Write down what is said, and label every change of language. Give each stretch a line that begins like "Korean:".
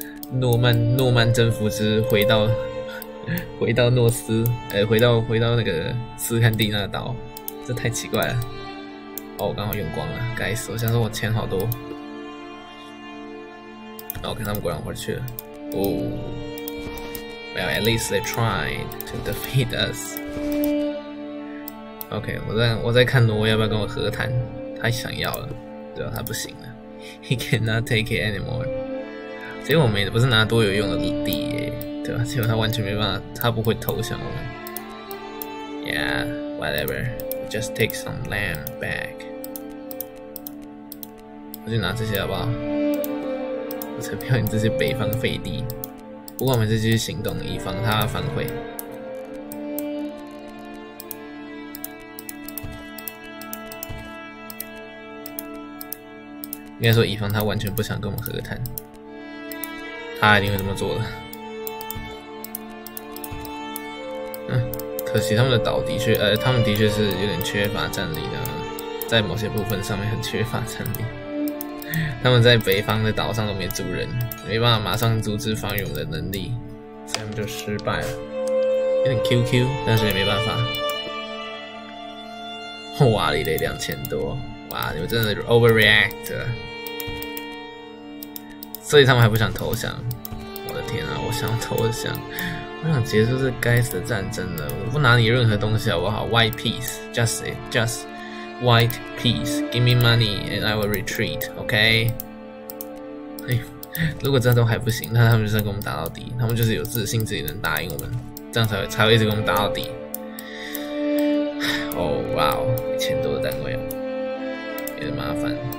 Chinese: 诺曼征服之回到诺斯，回到那个斯堪的纳岛，这太奇怪了。哦，我刚好用光了，该死！我想说我钱好多。然后看他们果然回去了。
English: 哦 ，Well, at least they tried to defeat us.
Chinese: OK， 我在看挪威要不要跟我和谈。他想要了，对吧？他不行了。
English: He cannot take it anymore.
Chinese: 结果我们也不是拿多有用的地耶，对吧？结果他完全没办法，他不会投降我们。
English: Yeah, whatever. Just take some land back.
Chinese: 我就拿这些好不好？我才不要你这些北方废地，不过我们是继续行动，以防他反悔。应该说，以防他完全不想跟我们和谈，他一定会这么做的。嗯，可惜他们的岛的确，他们的确是有点缺乏战力的，在某些部分上面很缺乏战力。他们在北方的岛上都没主人，没办法马上阻止防御我们的能力，所以他们就失败了。有点 QQ， 但是也没办法。哇，你得2000多，哇，你们真的 overreact。所以他们还不想投降。我的天啊，我想投降，我想结束这该死的战争了。我不拿你任何东西好不好
English: ？White peace, just it, just white peace. Give me money and I will retreat. OK？
Chinese: 哎呦，如果这都还不行，那他们就是要跟我们打到底。他们就是有自信自己能打赢我们，这样才会一直跟我们打到底。哦，哇哦，1000多的单位哦，有点麻烦。